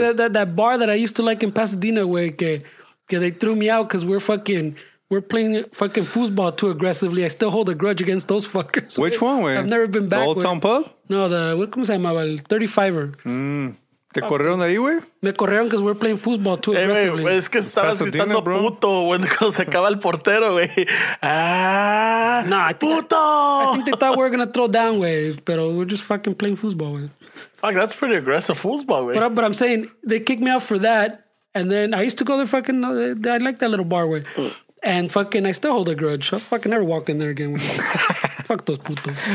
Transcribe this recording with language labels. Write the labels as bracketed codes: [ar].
[en] See, that bar that I used to like in Pasadena, way, que they threw me out because we're fucking... We're playing fucking foosball too aggressively. I still hold a grudge against those fuckers. Which one, way? I've never been back. The Old Town Pub? No, the 35er. [es] Mm. ¿Te corrieron de ahí, güey? Me corrieron [en] because we're playing foosball too aggressively. [es] Wey, es que estabas gritando puto cuando se acaba el portero, güey. ¡Puto! [en] I think they thought we were going to throw down, güey. Pero we're just fucking playing foosball, güey. Fuck, that's pretty aggressive foosball, güey. But I'm saying, they kicked me out for that. And then I used to go there fucking... I like that little bar, güey. And fucking, I still hold a grudge. I'll fucking never walk in there again. Fuck those putos.